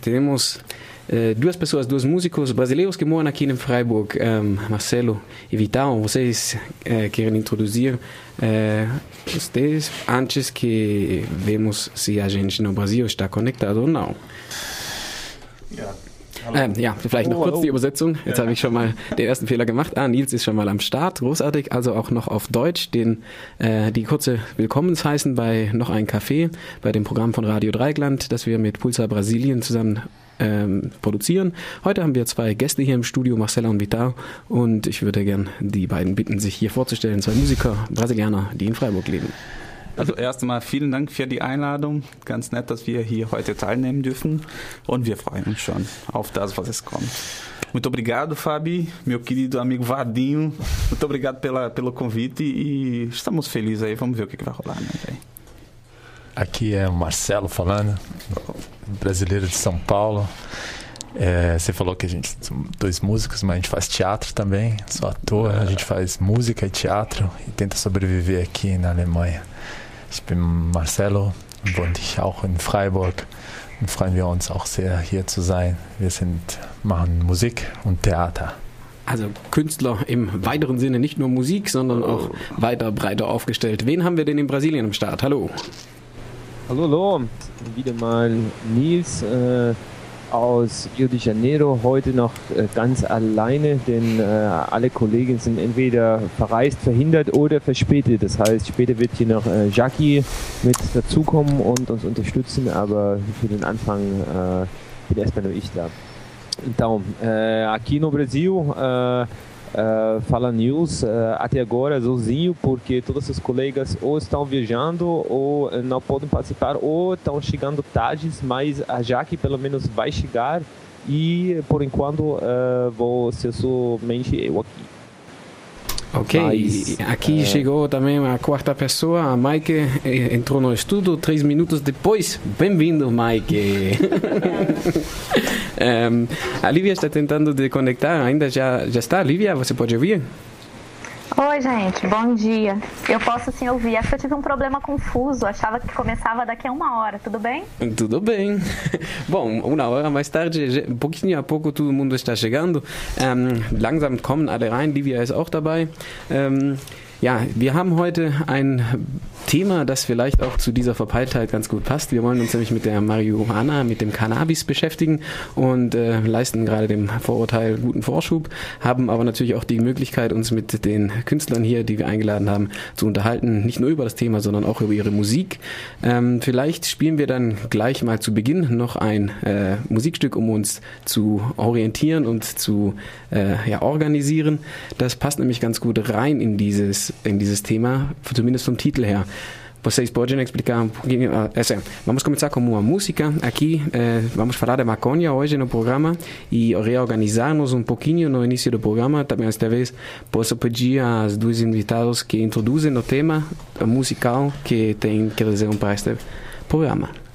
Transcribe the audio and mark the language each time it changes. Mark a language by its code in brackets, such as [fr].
[pt] Temos duas pessoas, dois músicos brasileiros que moram aqui em Freiburg, Marcelo e Vital. Vocês querem introduzir vocês antes que vemos se a gente no Brasil está conectado ou não? [de] Ja, vielleicht noch kurz die Übersetzung. Jetzt habe ich schon mal den ersten Fehler gemacht. Ah, Nils ist schon mal am Start. Großartig. Also auch noch auf Deutsch die kurze Willkommensheißen bei Noch ein Kaffee, bei dem Programm von Radio Dreieckland, das wir mit Pulsar Brasilien zusammen produzieren. Heute haben wir zwei Gäste hier im Studio, Marcela und Vital. Und ich würde gern die beiden bitten, sich hier vorzustellen. Zwei Musiker, Brasilianer, die in Freiburg leben. Also erst einmal vielen Dank für die Einladung. Ganz nett, dass wir hier heute teilnehmen dürfen. Und wir freuen uns schon auf das, was es kommt. [pt] Muito obrigado, Fabi, meu querido amigo Vadinho. Muito obrigado pelo convite e estamos felizes aí. Vamos ver o que vai rolar. Né? Aqui é o Marcelo falando, brasileiro de São Paulo. Você falou que a gente são dois músicos, mas a gente faz teatro também. Sou ator, a gente faz música e teatro e tenta sobreviver aqui na Alemanha. [de] Ich bin Marcelo und wohne auch in Freiburg und freuen wir uns auch sehr, hier zu sein. Wir machen Musik und Theater. Also Künstler im weiteren Sinne, nicht nur Musik, sondern auch weiter breiter aufgestellt. Wen haben wir denn in Brasilien am Start? Hallo. Hallo, hallo. Wieder mal Nils aus Rio de Janeiro, heute noch ganz alleine, denn alle Kollegen sind entweder verreist, verhindert oder verspätet. Das heißt, später wird hier noch Jackie mit dazukommen und uns unterstützen, aber für den Anfang bin erstmal nur ich da. [pt] Então, aqui no Brasil, fala Nils, até agora sozinho, porque todos os colegas ou estão viajando ou não podem participar ou estão chegando tarde, mas a Jaque pelo menos vai chegar e por enquanto vou ser somente eu aqui. Ok, aqui chegou também a quarta pessoa, a Maike entrou no estudo 3 minutos depois. Bem-vindo, Maike! a Lívia está tentando de conectar, ainda já está? Lívia, você pode ouvir? Oi, gente, bom dia. Eu posso sim ouvir, acho que eu tive um problema confuso, achava que começava daqui a uma hora, tudo bem? Tudo bem. Bom, uma hora mais tarde, pouquinho a pouco todo mundo está chegando. [de] Langsam kommen alle rein, Lívia ist auch dabei. Ja, wir haben heute ein Thema, das vielleicht auch zu dieser Verpeiltheit ganz gut passt. Wir wollen uns nämlich mit der Marihuana, mit dem Cannabis beschäftigen und leisten gerade dem Vorurteil guten Vorschub, haben aber natürlich auch die Möglichkeit, uns mit den Künstlern hier, die wir eingeladen haben, zu unterhalten. Nicht nur über das Thema, sondern auch über ihre Musik. Vielleicht spielen wir dann gleich mal zu Beginn noch ein Musikstück, um uns zu orientieren und zu organisieren. Das passt nämlich ganz gut rein in dieses tema, zumindest vom Titel her. [pt] Vocês podem explicar um pouquinho? Vamos começar com uma música. Aqui vamos falar de maconha hoje no programa e reorganizarmos pouquinho no início do programa. Também esta vez posso pedir aos dois invitados que introduzem o tema musical que tem que trazer para este programa.